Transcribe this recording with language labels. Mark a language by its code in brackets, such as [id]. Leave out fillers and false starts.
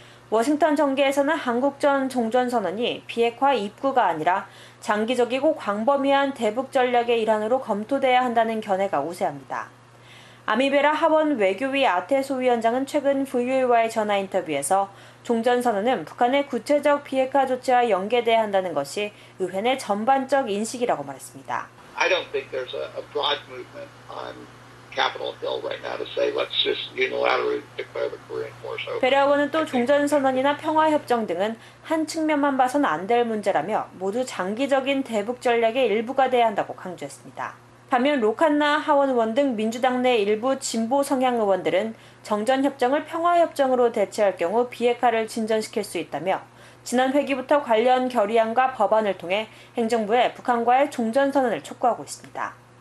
[ko] 워싱턴 정계에서는 한국전 종전선언이 비핵화 입구가 아니라 장기적이고 광범위한 대북 전략의 일환으로 검토돼야 한다는 견해가 우세합니다. 아미베라 하원 외교위 아테소 위원장은 최근 VOA와의 전화 인터뷰에서 종전선언은 북한의 구체적 비핵화 조치와 연계돼야 한다는 것이 의회 내 전반적 인식이라고 말했습니다. [en] I don't think there's a broad movement on Capitol Hill right now to say let's just unilaterally declare the Korean War over. [ko] 베라 의원은 또 종전선언이나 평화협정 등은 한 측면만 봐선 안 될 문제라며 모두 장기적인 대북 전략의 일부가 돼야 한다고 강조했습니다. 반면 로칸나 하원 의원 등 민주당 내 일부 진보 성향 의원들은 정전협정을 평화협정으로 대체할 경우 비핵화를 진전시킬 수 있다며 지난 회기부터 관련 결의안과 법안을 통해 행정부에 북한과의 종전선언을 촉구하고 있습니다.